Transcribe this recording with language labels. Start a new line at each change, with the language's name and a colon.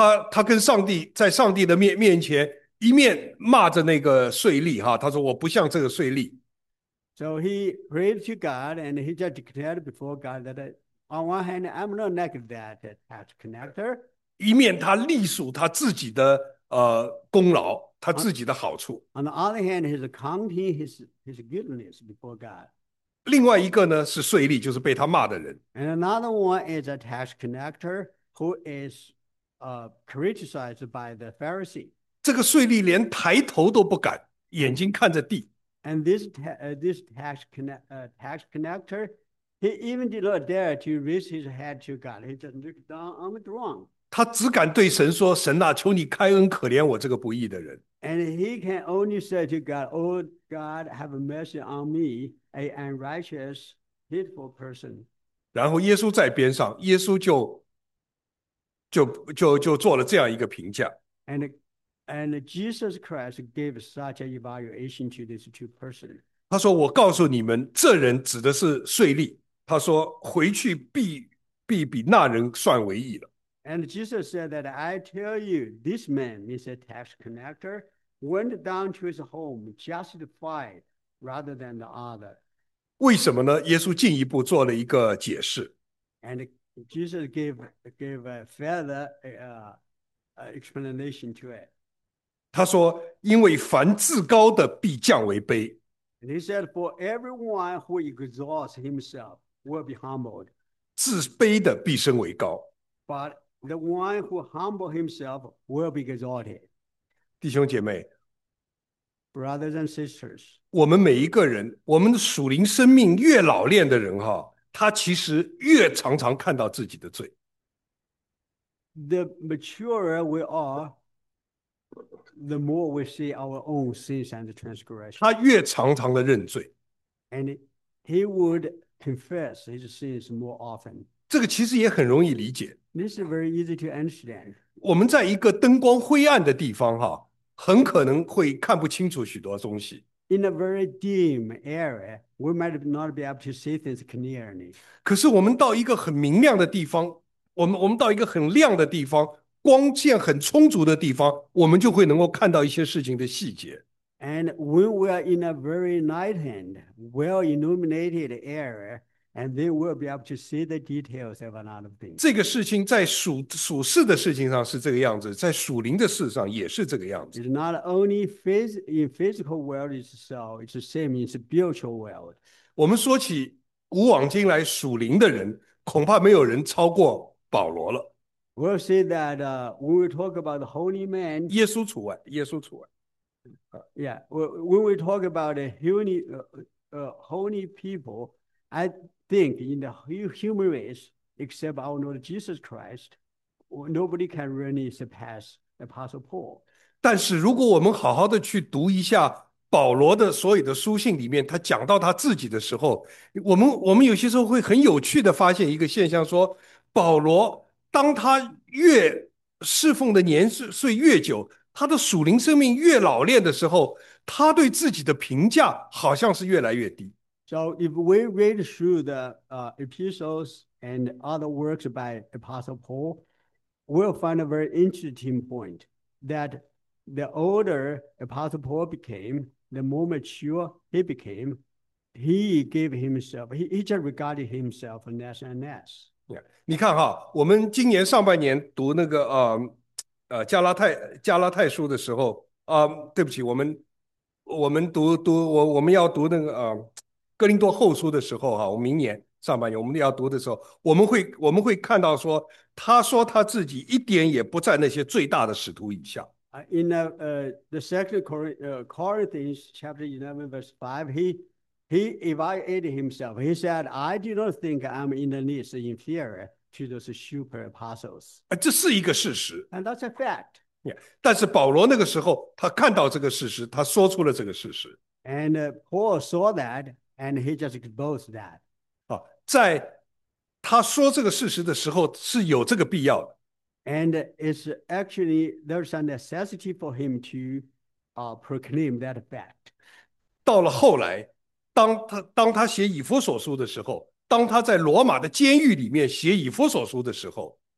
Chinese: 他跟上帝在上帝的面前一面骂着那个税吏哈，他说我不像这个税吏。
English: So he prayed to God and he just declared before God that on one hand, I'm not like that tax collector.
Chinese: 一面他隶属他自己的功劳，他自己的好处。
English: On the other hand, he's counting his goodness before God.
Chinese: 另外一个呢是税吏，就是被他骂的人。
English: And another one is a tax collector who is criticized by the Pharisee.
Chinese: 这个税吏连抬头都不敢，眼睛看着地。
English: And this tax collector, he even did not dare to raise his head to God. He just looked down on the ground.
Chinese: 他只敢对神说：“神呐，求你开恩，可怜我这个不义的人。
English: And he can only say to God, Oh God, have mercy on me, an unrighteous, hateful person.
Chinese: ”然后耶稣在边上，耶稣就做了这样一个评价。
English: And Jesus Christ gave such an evaluation to these two persons.
Chinese: 他说：“我告诉你们，这人指的是税吏。”他说：“回去必比那人算为义了。”
English: And Jesus said that I tell you, this man, Mr. Tax Collector, went down to his home justified rather than the other.
Chinese: 为什么呢？耶稣进一步做了一个解释。
English: And Jesus gave a further explanation to it.
Chinese: 他说：“因为凡自高的必降为卑。
English: And he said, For everyone who exalts himself will be humbled.
Chinese: 自卑的必升为高。
English: But the one who humbles himself will be exalted.
Chinese: 弟兄姐妹。
English: Brothers and sisters,
Chinese: 我们每一个人，我们的属灵生命越老练的人哈，他其实越常常看到自己的罪。
English: the maturer we are, the more we see our own sins and transgression.
Chinese: 他越常常的认罪。
English: And he would confess his sins more often.
Chinese: 这个其实也很容易理解。
English: This is very easy to understand.
Chinese: 我们在一个灯光灰暗的地方哈，很可能会看不清楚许多东西。
English: In a very dim area, we might not be able to see things clearly.
Chinese: 可是我们到一个很明亮的地方，我们到一个很亮的地方，光线很充足的地方，我们就会能够看到一些事情的细节。
English: And when we are in a very light-hand, well-illuminated area, and they will be able to see the details of a lot of things.
Chinese: 这个事情在属世的事情上是这个样子，在属灵的事上也是这个样子。
English: It's not only in physical world itself, it's the same in spiritual world.
Chinese: 我们说起。古往今来，属灵的人恐怕没有人超过保罗了。
English: We'll see that when we talk about the holy man,
Chinese: 耶稣除外，耶稣除外。
English: Yeah, when we talk about holy people, I think in the human race, except our Lord Jesus Christ, nobody can really surpass Apostle Paul.
Chinese: 但是，如果我们好好的去读一下。保罗的所有的书信里面，他讲到他自己的时候，我们有些时候会很有趣的发现一个现象，说保罗当他越侍奉的年岁越久，他的属灵生命越老练的时候，他对自己的评价好像是越来越低。
English: So if we read through the epistles and other works by Apostle Paul, we'll find a very interesting point that the older Apostle Paul became, the more mature he became, he just regarded himself less and less.
Chinese: 你看哈，我们今年上半年读那个加拉太书的时候，对不起，我们要读那个哥林多后书的时候哈，我明年上半年我们要读的时候，我们会看到说他自己一点也不在那些最大的使徒以下。
English: In the second Corinthians chapter 11 verse 5, he evaluated himself. He said, "I do not think I'm in the least inferior to those super apostles."
Chinese: 这是一个事实，
English: And that's a fact.
Chinese: 但是保罗那个时候，他看到这个事实，他说出了这个事实。
English: And Paul saw that, and he just exposed that.
Chinese: 在他说这个事实的时候，是有这个必要的。
English: And it's actually there's a necessity for him to proclaim that fact.
Chinese: 到了后来，当他写以弗所书的时候，当他在罗马的监狱里面写以弗所书的时候。